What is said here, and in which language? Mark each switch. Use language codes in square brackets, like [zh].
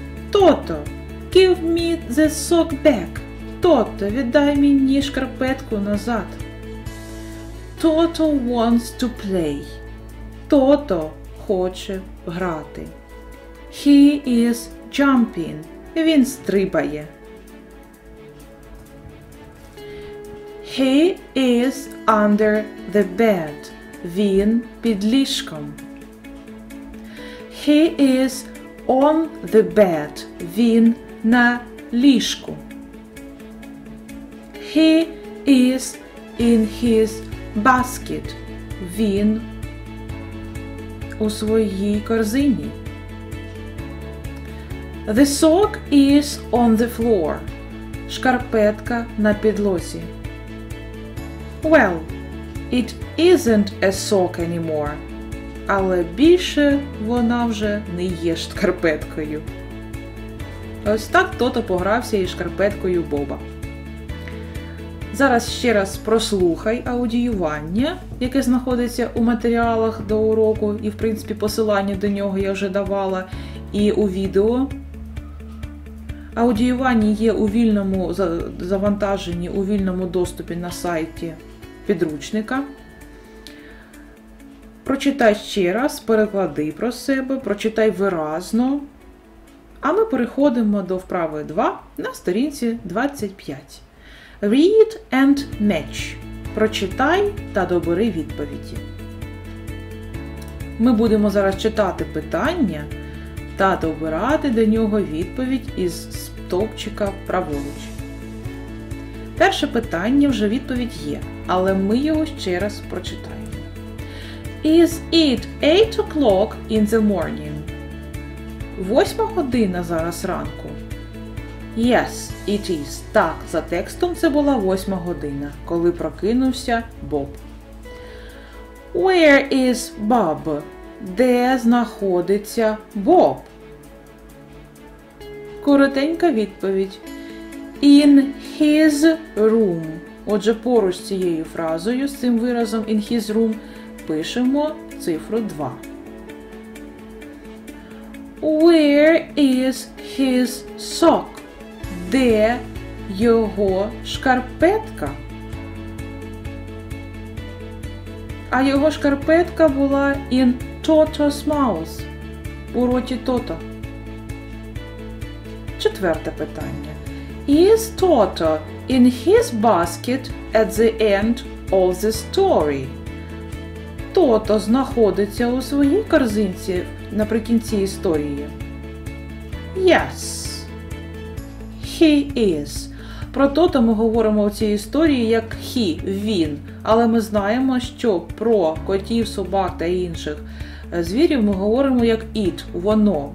[en] Тото, give me the sock back. [uk] Тото, віддай мені шкарпетку назад. [en] Toto wants to play. [uk] Тото хоче грати. [en] He is jumping. [uk] Він стрибає. [en] He is under the bed. [uk] Він під ліжком. [en] He is on the bed. [uk] Він на ліжку. [en] He is in his basket. [uk] Він у своїй корзині. [en] The sock is on the floor. [uk] Шкарпетка на підлозі. [en] Well, it isn't a sock anymore. [uk] Але більше вона вже не є шкарпеткою. Ось так Тото погрався із шкарпеткою Боба. Зараз ще раз прослухай аудіювання, яке знаходиться у матеріалах до уроку і, в принципі, посилання до нього я вже давала і у відео. Аудіювання є у вільному завантаженні, у вільному доступі на сайті підручника. Прочитай ще раз, переклади про себе, прочитай виразно. А ми переходимо до вправи 2 на сторінці 25. Read and match. Прочитай та добери відповіді. Ми будемо зараз читати питання та добирати до нього відповідь із стовпчика праворуч. Перше питання, вже відповідь є, але ми його ще раз прочитаємо. [en] Is it 8 o'clock in the morning? [uk] 8 година зараз ранку. [en] Yes, it is. [uk] Так, за текстом це була 8 година, коли прокинувся Боб. [en] Where is Bob? [uk] Де знаходиться Боб? Коротенька відповідь. [en] In his room. [uk] Отже, поруч з цією фразою, з цим виразом [en] in his room, [uk] пишемо цифру 2. [en] Where is his sock? [uk] Де його шкарпетка? А його шкарпетка була [en] in Toto's mouth. [uk] У роті Тото. Четверте питання. [en] is Toto in his basket at the end of the story? [uk] Тото знаходиться у своїй корзинці наприкінці історії? [en] Yes, he is. [uk] Про Тото ми говоримо у цій історії як he, він. Але ми знаємо, що про котів, собак та інших звірів ми говоримо як it, воно.